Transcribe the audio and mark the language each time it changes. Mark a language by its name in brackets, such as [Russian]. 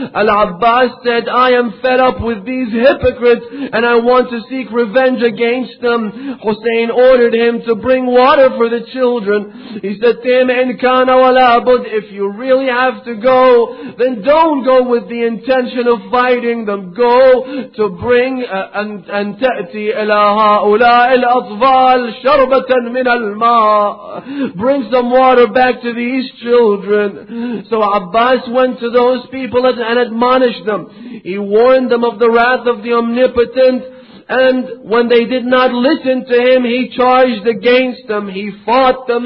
[English] Al-Abbas said, I am fed up with these hypocrites and I want to seek revenge against them. Hussein ordered him to bring water for the children. He said to him, [Arabic] إن كان ولا بد, [English] if you really have to go, then don't go with the intention of fighting them. Go to bring and [Arabic] تأتي إلى هؤلاء الأطفال شربة من الماء. [English] Bring some water back to these children. So Abbas went to those people and admonished them. He warned them of the wrath of the Omnipotent. And when they did not listen to him, he charged against them. He fought them.